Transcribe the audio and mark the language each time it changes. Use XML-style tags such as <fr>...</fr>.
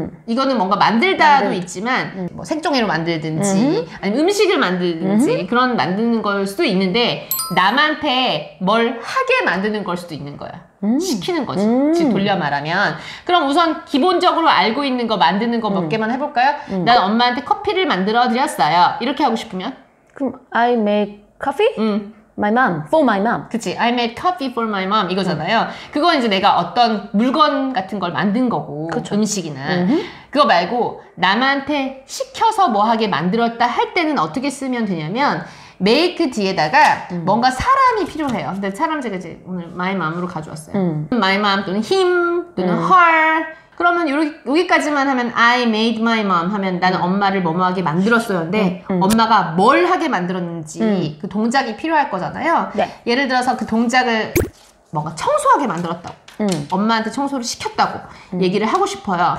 <ko>이거는 뭔가 만들다도 만들. 있지만 뭐 생종이로 만들든지 아니면 음식을 만들든지 그런 만드는 걸 수도 있는데 남한테 뭘 하게 만드는 걸 수도 있는 거야. 시키는 거지. 즉 돌려 말하면 그럼 우선 기본적으로 알고 있는 거 만드는 거 몇 개만 해볼까요? 난 엄마한테 커피를 만들어 드렸어요. 이렇게 하고 싶으면</ko> <en>그럼 I make coffee? My mom. For my mom.</en> <ko>그치.</ko> <en>I made coffee for my mom.</en> <ko>이거잖아요. 그건 이제 내가 어떤 물건 같은 걸 만든 거고 그쵸. 음식이나 그거 말고 남한테 시켜서 뭐 하게 만들었다 할 때는 어떻게 쓰면 되냐면 make 뒤에다가 뭔가 사람이 필요해요. 근데 사람 제가 이제 오늘 my mom으로 가져왔어요.</ko> <en>My mom 또는 him 또는 her.</en> <ko>그러면 여기까지만 하면</ko> <en>I made my mom</en> <ko>하면 나는 엄마를 뭐뭐하게 만들었었는데 엄마가 뭘 하게 만들었는지 그 동작이 필요할 거잖아요. 네. 예를 들어서 그 동작을 뭔가 청소하게 만들었다고 엄마한테 청소를 시켰다고 얘기를 하고 싶어요.</ko>